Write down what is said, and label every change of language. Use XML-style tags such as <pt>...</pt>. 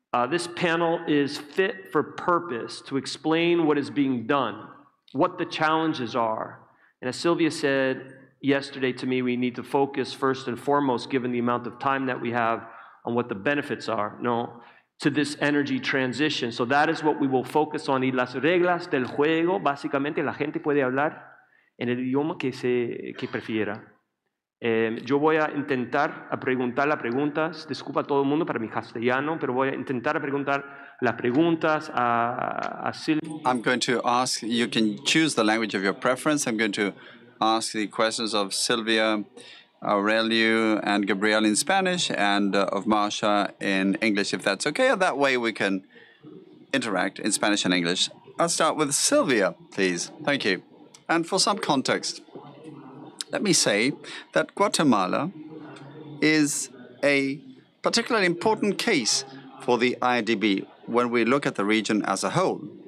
<en>This panel is fit for purpose to explain what is being done, what the challenges are. And as Silvia said yesterday to me, we need to focus first and foremost, given the amount of time that we have, on what the benefits are, no, to this energy transition. So that is what we will focus on.</en> <es>Y las reglas del juego, básicamente, la gente puede hablar en el idioma que prefiera. Yo voy a intentar a preguntar las preguntas, disculpa a todo el mundo para mi castellano, pero voy a intentar a preguntar las preguntas a Silvia.</es> <en>I'm going to ask, you can choose the language of your preference. I'm going to ask the questions of Silvia, Aurelio, and Gabriel in Spanish, and of Marcia in English, if that's okay. That way we can interact in Spanish and English. I'll start with Silvia, please. Thank you. And for some context, let me say that Guatemala is a particularly important case for the IDB when we look at the region as a whole.</en>